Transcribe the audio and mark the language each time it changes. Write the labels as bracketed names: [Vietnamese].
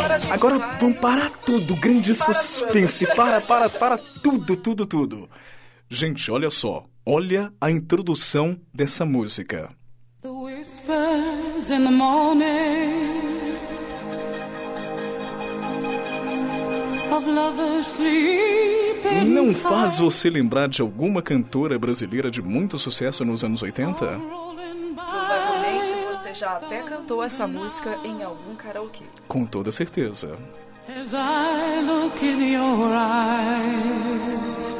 [Portuguese] Agora vamos parar tudo, grande suspense. Para tudo. Gente, olha só, olha a introdução dessa música. [English] The whispers in the morning of lovers sleeping. [Portuguese] Não faz você lembrar de alguma cantora brasileira de muito sucesso nos anos 80? Provavelmente você já até cantou essa música em algum karaokê. Com toda certeza. [English] As I look in your eyes.